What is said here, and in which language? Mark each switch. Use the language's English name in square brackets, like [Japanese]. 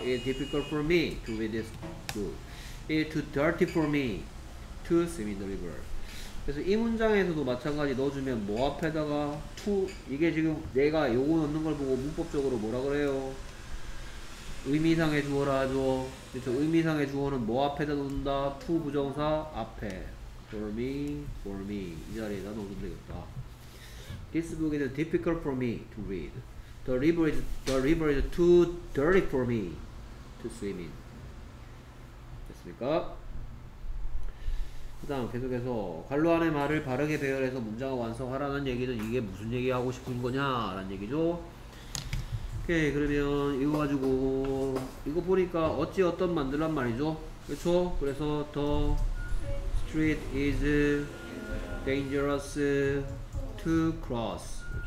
[English] It's difficult for me to read this book. It's too dirty for me to swim in the river. [Korean] 그래서 이 문장에서도 마찬가지 넣어주면 뭐 앞에다가 to, 이게 지금 내가 요거 넣는 걸 보고 문법적으로 뭐라 그래요? 의미상의 주어라 하죠. 그렇죠? 의미상의 주어는 뭐 앞에다 놓는다? to 부정사 앞에. [English] For me. [Korean] 이 자리에다 놓으면 되겠다. [English] This book is difficult for me to read. The river is too dirty for me to swim in. [Korean] 됐습니까? 그 다음 계속해서 관로 안의 말을 바르게 배열해서 문장을 완성하라는 얘기는 이게 무슨 얘기하고 싶은 거냐 라는 얘기죠. 오케이, 그러면 이거 가지고 이거 보니까 어찌 어떤 만들란 말이죠. 그렇죠? 그래서 [English] the street is dangerous to cross.